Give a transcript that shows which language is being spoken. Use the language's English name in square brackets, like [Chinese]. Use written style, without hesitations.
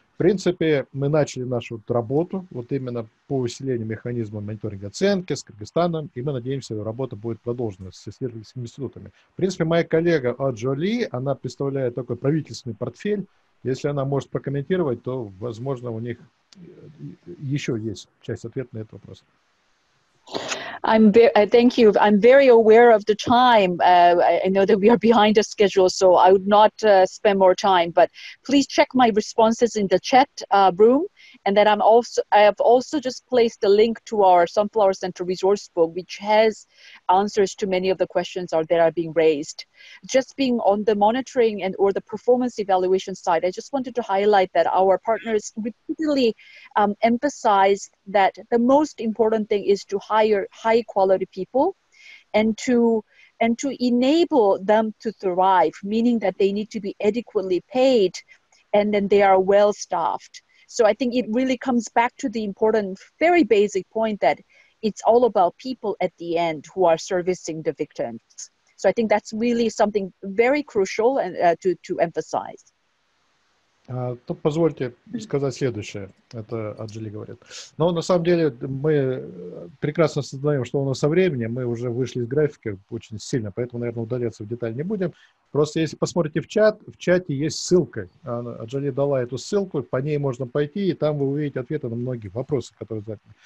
[Russian] В принципе, мы начали нашу работу вот именно по усилению механизма мониторинга оценки с Кыргызстаном, и мы надеемся, что работа будет продолжена с исследовательскими институтами. В принципе, моя коллега Аджоли, она представляет такой правительственный портфель, Если она может прокомментировать, то, возможно, у них еще есть часть ответа на этот вопрос. [English] Thank you. I'm very aware of the time. I know that we are behind the schedule, so I would not spend more time. But please check my responses in the chat room. And then I have also just placed the link to our Sunflower Center resource book, which has answers to many of the questions that are being raised. Just being on the monitoring and or the performance evaluation side, I just wanted to highlight that our partners repeatedly emphasized that the most important thing is to hire high quality people and to enable them to thrive, meaning that they need to be adequately paid and then they are well staffed. So I think it really comes back to the important, very basic point that it's all about people at the end who are servicing the victims. So I think that's really something very crucial and to emphasize. [Russian] То позвольте сказать следующее. Это Аджили говорит. Но на самом деле мы прекрасно осознаем, что у нас со временем, мы уже вышли из графика очень сильно, поэтому, наверное, удаляться в деталь не будем. Просто если посмотрите в чат, в чате есть ссылка. Аджили дала эту ссылку, по ней можно пойти, и там вы увидите ответы на многие вопросы, которые задали.